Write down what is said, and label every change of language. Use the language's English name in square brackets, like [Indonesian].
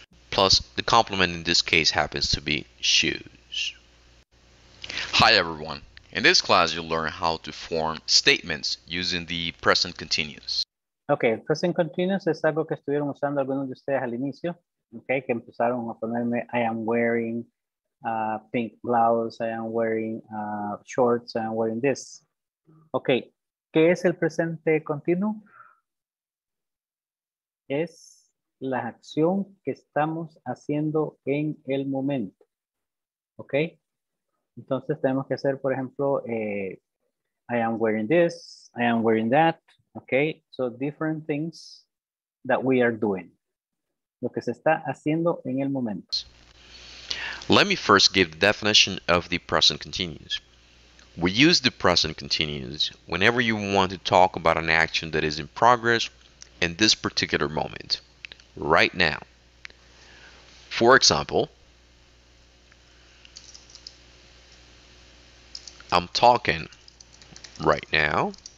[English] Plus the compliment in this case happens to be shoes. Hi everyone. In this class you'll learn how to form statements using the present continuous. [Spanish] Okay, present continuous es algo que estuvieron usando algunos de ustedes al inicio. [English] Okay, [Spanish] que empezaron a ponerme [English] I am wearing pink blouse, I am wearing shorts, I am wearing this. [Spanish] Okay, ¿qué es el presente continuo? Es la acción que estamos haciendo en el momento. [English] Okay, [Spanish] entonces tenemos que hacer, por ejemplo, [English] I am wearing this, I am wearing that. Okay, so different things that we are doing. [Spanish] Lo que se está haciendo en el momento. [English] Let me first give the definition of the present continuous. We use the present continuous whenever you want to talk about an action that is in progress in this particular moment, right now. For example, I'm talking right now.